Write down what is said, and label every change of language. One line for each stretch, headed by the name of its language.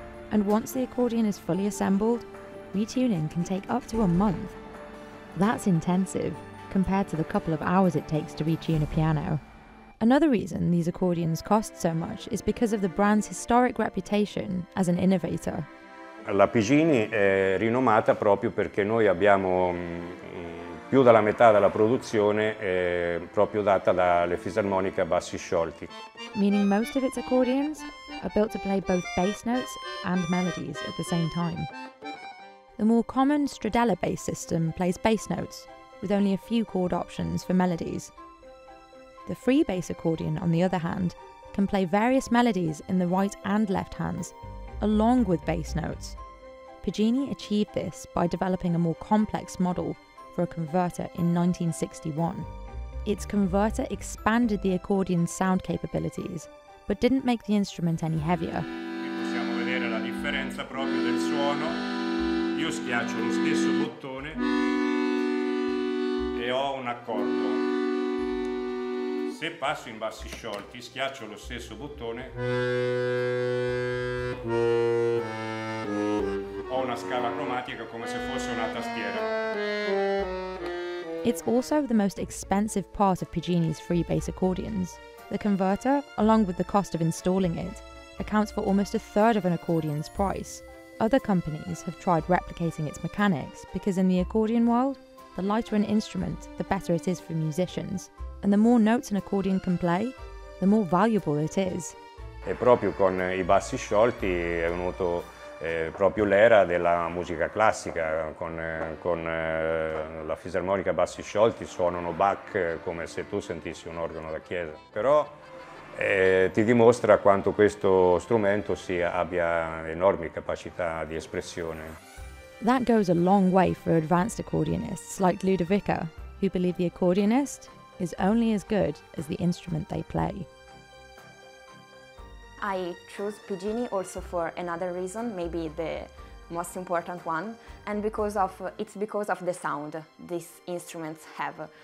English: And once the accordion is fully assembled, retuning can take up to a month. That's intensive, compared to the couple of hours it takes to retune a piano. Another reason these accordions cost so much is because of the brand's historic reputation as an innovator.
Italian: La Pigini è rinomata proprio perché noi abbiamo più della metà della produzione proprio data dalle fisarmoniche a bassi sciolti.
English: Meaning most of its accordions are built to play both bass notes and melodies at the same time. The more common Stradella bass system plays bass notes, with only a few chord options for melodies. The free bass accordion, on the other hand, can play various melodies in the right and left hands, along with bass notes. Pigini achieved this by developing a more complex model for a converter in 1961. Its converter expanded the accordion's sound capabilities, but didn't make the instrument any heavier.
Italian: Possiamo vedere la differenza proprio del suono. Io schiaccio lo stesso bottone e ho un accordo. Se passo in bassi sciolti, schiaccio lo stesso bottone, ho una scala cromatica come se fosse una tastiera.
English: It's also the most expensive part of Pigini's free bass accordions. The converter, along with the cost of installing it, accounts for almost a third of an accordion's price. Other companies have tried replicating its mechanics because in the accordion world, the lighter an instrument, the better it is for musicians. And the more notes an accordion can play, the more valuable it is.
Italian: E proprio con i bassi sciolti è venuto proprio l'era della musica classica. La fisarmonica a bassi sciolti suonano Bach come se tu sentissi un organo da chiesa. Però ti dimostra quanto questo strumento abbia enormi capacità di espressione.
English: That goes a long way for advanced accordionists like Ludovica, who believe the accordionist is only as good as the instrument they play. I chose Pigini also for another reason, maybe the most important one, and because of the sound these instruments have.